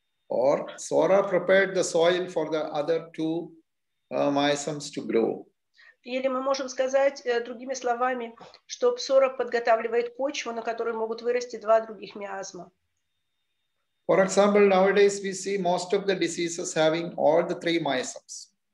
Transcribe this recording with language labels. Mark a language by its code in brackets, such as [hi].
[en] Or psora prepared the soil for the other two miasms to grow. [ru] Или мы можем сказать другими словами, что псора подготавливает почву, на которой могут вырасти два других миазма. [en] For example, nowadays we see most of the diseases having all the three miasms.